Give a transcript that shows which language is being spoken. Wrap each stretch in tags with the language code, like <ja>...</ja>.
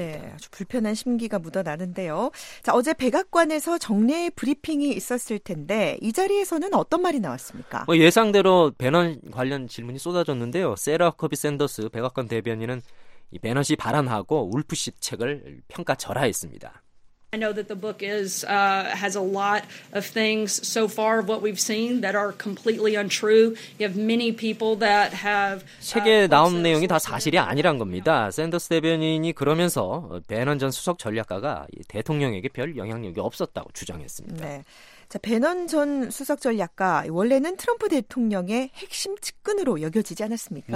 <ko>네, 아주 불편한 심기가 묻어나는데요. 자, 어제 백악관에서 정례 브리핑이 있었을 텐데 이 자리에서는 어떤 말이 나왔습니까? 예상대로 배너 관련 질문이 쏟아졌는데요. 세라 커비 샌더스 백악관 대변인은 이 배너 씨 발언하고 울프 씨 책을 평가 절하했습니다.</ko> <en>I know that the book is has a lot of things so far of what we've seen that are completely untrue. You have many people that have</en> <ko>책에 나온 내용이 다 사실이 아니란 겁니다. 샌더스 대변인이 그러면서 배넌 전 수석 전략가가 대통령에게 별 영향력이 없었다고 주장했습니다. 네. 자, 배넌 전 수석 전략가 원래는 트럼프 대통령의 핵심 측근으로 여겨지지 않았습니까?</ko>